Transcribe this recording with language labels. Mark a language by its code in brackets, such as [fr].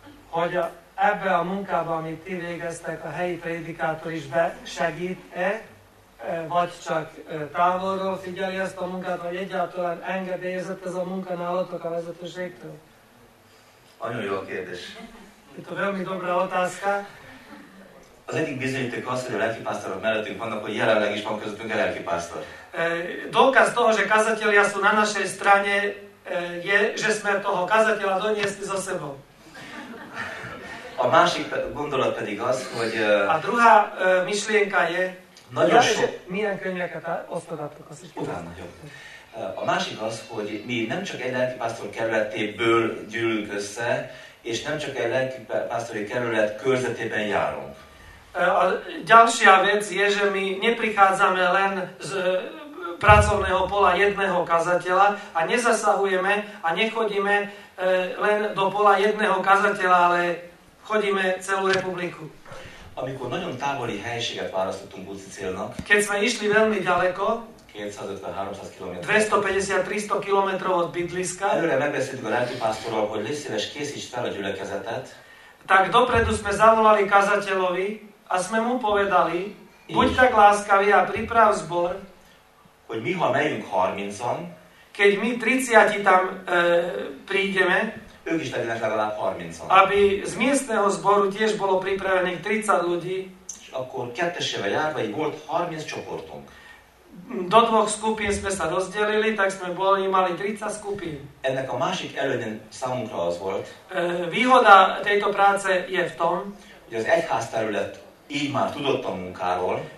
[hu] Hogy a, ebbe a munkába, amit ti végeztek, a helyi predikátor is besegít-e, vagy csak távolról figyeli ezt a munkát, vagy egyáltalán engedélyezett ez a munka nálatok a vezetőségtől? Nagyon jó a kérdés. Itt a [sk] veľmi dobrá otázka. [hu] Az egyik bizonyíték az, hogy a lelkipásztorok mellettünk vannak, hogy jelenleg is van közöttünk a lelkipásztor. [sk] Dokaz toho, že kazatelia sú na našej strane, je, že sme toho kazatela doniesli so sebou. [hu] A másik gondolat pedig az, hogy... [sk] A druhá myšlienka je... [hu] Nagyon sok... Milyen könyveket osztodatok, azt is kérdeztem. Nagyon. A másik az, hogy mi nem csak egy lelkipásztor kerületéből gyűlünk össze, és nem csak egy lelkipásztori kerület körzetében járunk. [sk] A ďalšia vec je, že my neprichádzame len z pracovného pola jedného kazateľa a nezasahujeme a nechodíme len do pola jedného kazateľa, ale chodíme celú republiku. [hu] Amikor nagyon távoli helységet választottunk úci célnak, [sk] keď sme išli veľmi ďaleko, [hu] 250-300 km. [sk] 250-300 km od bydliska. [hu] Előre megbeszéltük a lelki pásztorral, hogy légy szíves, készíts fel a gyülekezetet. [sk] Tak dopredu sme zavolali kazateľovi a sme mu povedali, [hu] így, [sk] buď tak láskavý a priprav zbor, [hu] hogy mi, ha megyünk 30-an, [sk] keď my 30-ti tam prídeme, [hu] ők is legyenek legalább 30-an. [sk] Aby z miestného zboru tiež bolo pripravených 30 ľudí, [hu] és akkor kettesével járva így volt 30 csoportunk. [sk] Do dvoch skupín sme sa rozdelili, tak sme boli, mali 30 skupín. [hu] Ennek a másik előnye számunkra az volt, [sk] výhoda tejto práce je v tom, [hu] hogy az egyház terület így már tudott a munkáról,